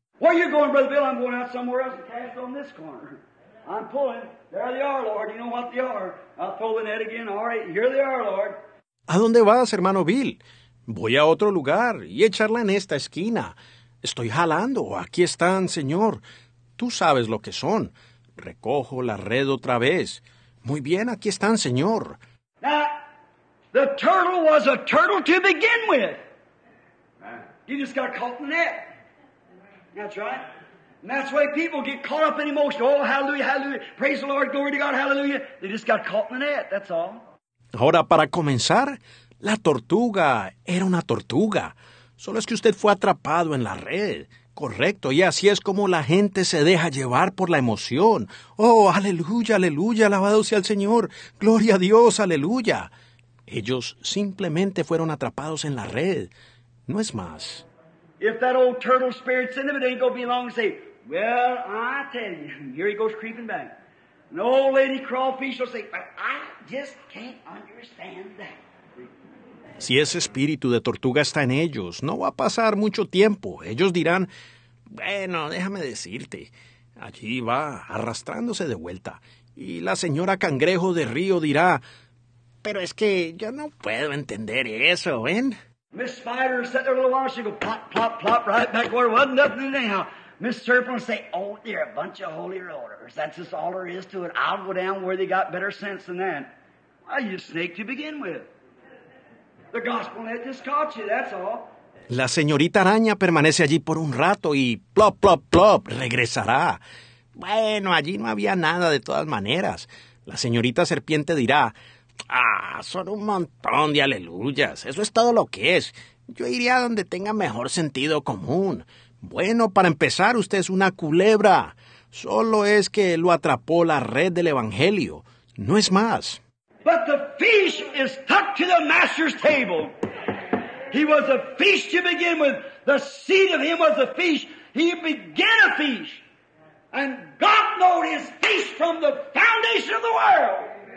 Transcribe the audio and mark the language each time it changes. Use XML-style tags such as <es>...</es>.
<en>Where are you going, Brother Bill? I'm going out somewhere else and cast on this corner. I'm pulling. There they are, Lord. You know what they are. I'll pull the net again. All right, here they are, Lord.</en> <es>¿A dónde vas, hermano Bill? Voy a otro lugar y echarla en esta esquina. Estoy jalando. Aquí están, Señor. Tú sabes lo que son. Recojo la red otra vez. Muy bien, aquí están, Señor.</es> <en>Now, the turtle was a turtle to begin with. You just got caught in the net. That's right. And that's why people get caught up in emotion. Oh, hallelujah, hallelujah. Praise the Lord, glory to God, hallelujah. They just got caught in the net, that's all.</en> <es>Ahora, para comenzar, la tortuga era una tortuga. Solo es que usted fue atrapado en la red. Correcto, y así es como la gente se deja llevar por la emoción. Oh, aleluya, aleluya, alabado sea el Señor. Gloria a Dios, aleluya. Ellos simplemente fueron atrapados en la red. No es más.</es> <en>If that old turtle spirit's in them, it ain't gonna be long and say, well, I tell you, here he goes creeping back. No lady crawfish will say, but I just can't understand that.</en> <es>Si ese espíritu de tortuga está en ellos, no va a pasar mucho tiempo. Ellos dirán, bueno, déjame decirte, allí va arrastrándose de vuelta. Y la señora cangrejo de río dirá, pero es que yo no puedo entender eso, ¿ven?</es> <en>Miss Spider sat there a little while, she go plop, plop, plop, right back where it wasn't nothing anyhow. Miss Serpent say, oh dear, a bunch of holy rollers. That's just all there is to it. I'll go down where they got better sense than that. Why, you snake to begin with. The gospel net just caught you, that's all.</en> <es>La señorita araña permanece allí por un rato y plop, plop, plop, regresará. Bueno, allí no había nada de todas maneras. La señorita serpiente dirá, ah, son un montón de aleluyas. Eso es todo lo que es. Yo iría donde tenga mejor sentido común. Bueno, para empezar, usted es una culebra. Solo es que lo atrapó la red del evangelio. No es más.</es> <en>But the fish is tucked to the master's table. He was a fish to begin with. The seed of him was a fish. He began a fish. And God knowed his fish from the foundation of the world.</en>